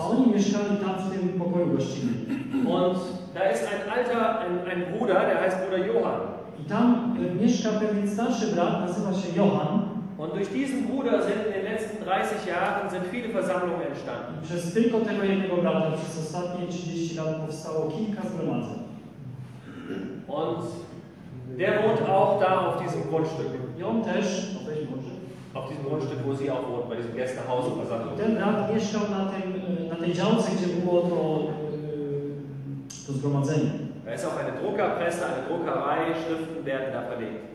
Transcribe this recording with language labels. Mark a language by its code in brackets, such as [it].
[pl] A oni mieszkali tam w tym pokoju gościnnym. [de] Und da ist ein alter, ein Bruder, der heißt Bruder Johann. [pl] I tam mieszka pewien starszy brat, nazywa się Johann. [de] Und durch diesen Bruder sind in den letzten 30 Jahren sind viele Versammlungen entstanden. [pl] Przez tylko tego jednego brata przez ostatnie 30 lat powstało kilka zgromadzeń. [de] Und der wohnt auch da auf diesem Grundstück. [pl] I on też, [de] auf welchem Grundstück? Auf diesem Grundstück, wo sie auch wohnt, bei diesem Gästehaus und Versammlung. [pl] Ten brat mieszkał na tej działce, gdzie było to zgromadzenie. [de] Da ist auch eine Druckerpresse, eine Druckerei, Schriften werden da verlegt.